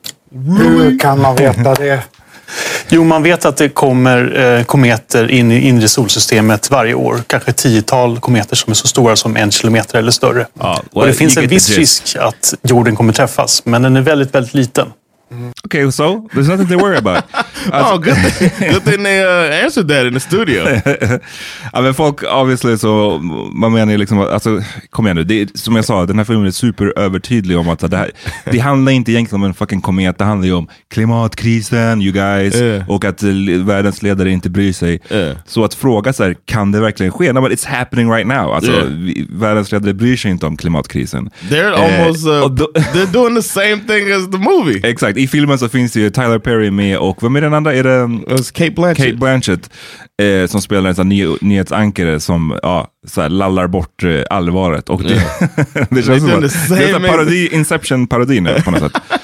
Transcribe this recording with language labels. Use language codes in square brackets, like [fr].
[sv] Hur kan man veta det? Jo, man vet att det kommer kometer in i inre solsystemet varje år. Kanske 10-tal kometer som är så stora som 1 kilometer eller större. Ah, well, och det finns en viss risk att jorden kommer träffas, men den är väldigt, väldigt liten. [en] Okay, so there's nothing to worry about. Alltså, oh, good thing they answered that in the studio. [sv] Ja, men folk, obviously, så man menar ju liksom, alltså, kom igen nu, det, som jag sa, den här filmen är superövertydlig om att så, det, här, det handlar inte egentligen om en fucking komet, det handlar ju om klimatkrisen, [en] you guys, [sv] och att världens ledare inte bryr sig. Så att fråga så här, kan det verkligen ske? [en] No, but it's happening right now. [sv] Alltså, världens ledare bryr sig inte om klimatkrisen. [en] They're almost, they're doing the same thing as the movie. [sv] Exakt, i filmen så finns det ju Tyler Perry med, och vem är den andra? Är det, Cate Blanchett. Cate Blanchett, som spelar en sån nyhetsankare som, ja, så här, lallar bort allvaret. Och det, det känns som att det är en parodi, Inception-parodi nu på något sätt.